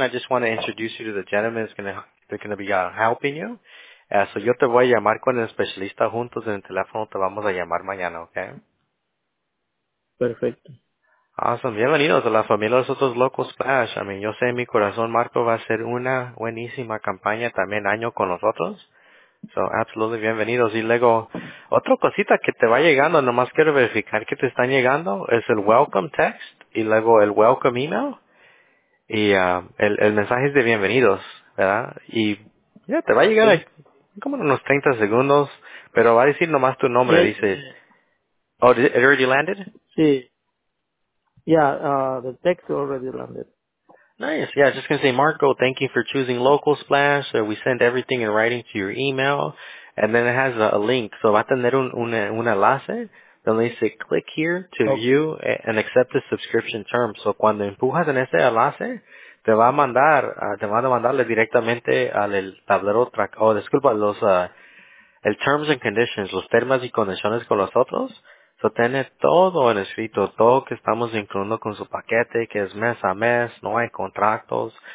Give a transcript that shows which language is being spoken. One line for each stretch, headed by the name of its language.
English: I just want to introduce you to the gentleman that's going to be helping you.
Spanish: So yo te voy a llamar con el especialista juntos en el teléfono. Te vamos a llamar mañana, okay? Perfecto.
English: Awesome.
Spanish: Bienvenidos a la familia de los otros locos, Flash.
English: I mean,
Spanish: yo sé en mi corazón, Marco, va a ser una buenísima campaña también año con nosotros. So, absolutely, bienvenidos. Y luego, otra cosita que te va llegando, nomás quiero verificar que te están llegando, es el welcome text, y luego el welcome email, y el mensaje es de bienvenidos, ¿verdad? Y ya, yeah, te va a llegar sí. Como en unos 30 segundos, pero va a decir nomás tu nombre, sí.
English: Dice, oh, it already landed? Sí. Yeah, the text already landed. Nice. Yeah, I was just going to say, Marco, thank you for choosing Local Splash. So we send everything in writing to your email. And then it has a link. So
Spanish: va a tener un enlace.
English: Then they say, click here to view and accept the subscription terms.
Spanish: So cuando empujas en ese enlace, te va a mandarle directamente al el tablero track. Oh, disculpa, el terms and conditions, los términos y condiciones con los otros. So, tiene todo en escrito, todo que estamos incluyendo con su paquete, que es mes a mes, no hay contratos.